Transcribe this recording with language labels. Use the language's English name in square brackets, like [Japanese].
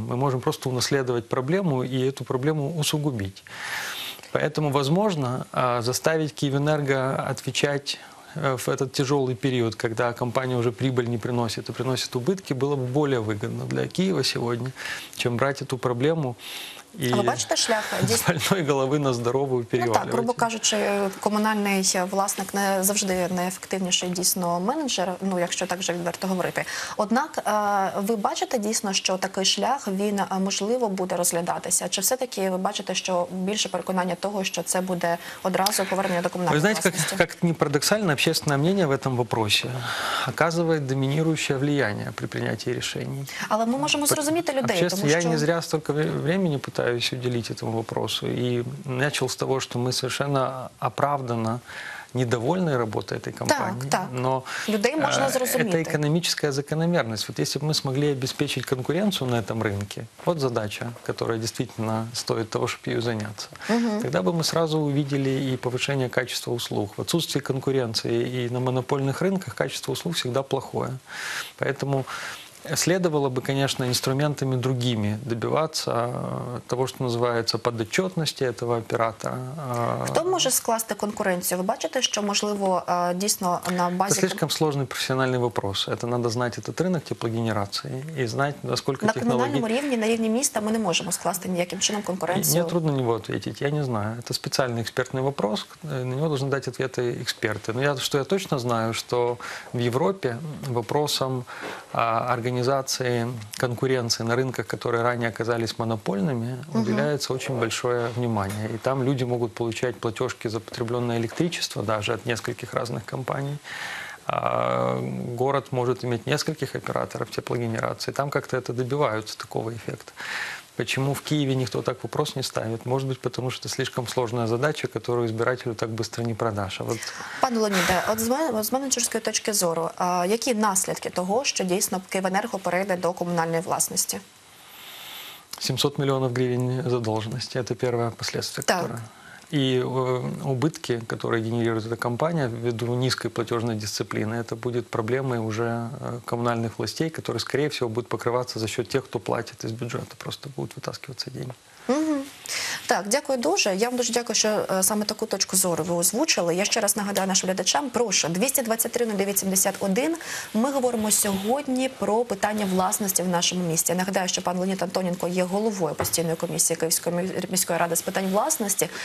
[Russian] Мы можем просто унаследовать проблему и эту проблему усугубить. Поэтому, возможно, заставить Киевэнерго отвечать в этот тяжелый период, когда компания уже прибыль не приносит, а приносит убытки, было бы более выгодно для Киева сегодня, чем брать эту проблему [Ukrainian] и а ви бачите шлях? З больної голови на здорову перевалювати. Ну так, грубо кажучи, комунальний власник не завжди найефективніший дійсно менеджер, ну якщо так же відверто говорити. Однак, ви бачите дійсно, що такий шлях, він можливо буде розглядатися? Чи все-таки ви бачите, що більше переконання того, що це буде одразу повернення до комунальної власності? Ви знаєте, як не [Russian] парадоксально, общественное мнение в этом вопросе оказывает домінирующее влияние при [Ukrainian] прийнятті рішень. Але ми можемо зрозуміти людей. [Russian] Общество, я не зря столько времени пытаюсь уделить этому вопросу. И начал с того, что мы совершенно оправданно недовольны работой этой компании. [Ukrainian] Так, так. [Russian] Но людей можно зрозуметь. Это экономическая закономерность. Вот если бы мы смогли обеспечить конкуренцию на этом рынке, вот задача, которая действительно стоит того, чтобы ее заняться, тогда бы мы сразу увидели и повышение качества услуг. В отсутствии конкуренции и на монопольных рынках качество услуг всегда плохое. Поэтому следовало бы, конечно, инструментами другими добиваться того, что называется подотчетности этого оператора. [Ukrainian] Кто може скласти конкуренцію? Ви бачите, що можливо дійсно на базі... [Russian] Це слишком сложный профессиональный вопрос. Это надо знать этот рынок теплогенерации и знать, насколько технологии... [Ukrainian] На комунальному рівні, на рівні міста ми не можемо скласти ніяким чином конкуренцію. [Russian] Мне трудно на него ответить. Я не знаю. Это специальный экспертный вопрос. На него должны дать ответы эксперты. Но я точно знаю, что в Европе вопросом организации конкуренции на рынках, которые ранее оказались монопольными, уделяется очень большое внимание. И там люди могут получать платежки за потребленное электричество даже от нескольких разных компаний. А город может иметь нескольких операторов теплогенерации. Там как-то это добиваются такого эффекта. Почему в Киеве никто так вопрос не ставит? Может быть, потому что это слишком сложная задача, которую избирателю так быстро не продашь. А вот... [Ukrainian] Пане Леоніде, от з менеджерської точки зору, які наслідки того, що дійсно Київенерго перейде до комунальної власності? 700 мільйонів гривень задолженості – це перше последствие. Так. [Russian] И убытки, которые генерирует эта компания ввиду низкой платежной дисциплины, это будет проблемой уже коммунальных властей, которые, скорее всего, будут покрываться за счет тех, кто платит из бюджета, просто будут вытаскиваться деньги. [Ukrainian] Так, дякую дуже. Я вам дуже дякую, що саме таку точку зору ви озвучили. Я ще раз нагадаю нашим глядачам, прошу, 223-0981. Ми говоримо сьогодні про питання власності в нашому місті. Я нагадаю, що пан Леонід Антоненко є головою постійної комісії Київської міської ради з питань власності.